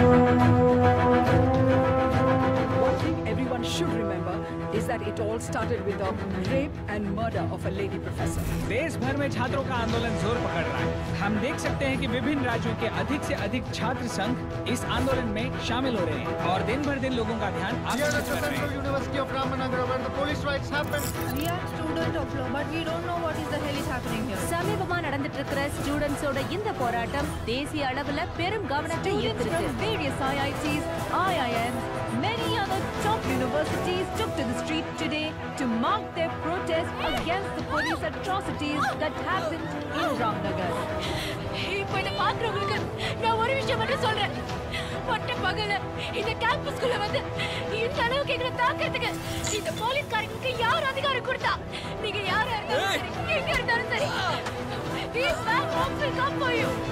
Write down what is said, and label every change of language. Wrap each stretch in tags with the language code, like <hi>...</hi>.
<en>One thing everyone should remember is that it all started with the rape and murder of a lady professor.</en> <hi>देश भर में छात्रों का आंदोलन जोर पकड़ रहा है. हम देख सकते हैं कि विभिन्न राज्यों के अधिक से अधिक छात्र संघ इस आंदोलन में शामिल हो रहे हैं और दिन भर दिन लोगों का ध्यान आकर्षित कर रहे हैं.</hi> <en>Central University of Ramanagar, where the police riots happened. We are students of law, but we don't know what is the hell is happening here.</en> <ta>சமீபமாக நடந்துட்டு இருக்கிற ஸ்டூடெண்ட்ஸ் ஓட இந்த போராட்டம் தேசிய அளவில் பெரும் கவனத்தை ஈர்த்திருக்கு.</ta> <en>Various IITs, IIMs, many other top universities took to the street today to mark their protest against the police atrocities that happened in Ramnagar.</en> <ta>இப்போ இதை பார்க்குறவங்களுக்கு நான் ஒரு விஷயம் மட்டும் சொல்றேன். பட்ட பகல இந்த கேம்பஸ்குள்ள வந்து இந்த அளவுக்கு எங்களை தாக்கிறதுக்கு இந்த போலீஸ்காரங்களுக்கு யார் அதிகாரம் கொடுத்தா? நீங்க யாரா இருந்தாலும் சரி, எங்க இருந்தாலும் சரி, these men won't come for you.</ta>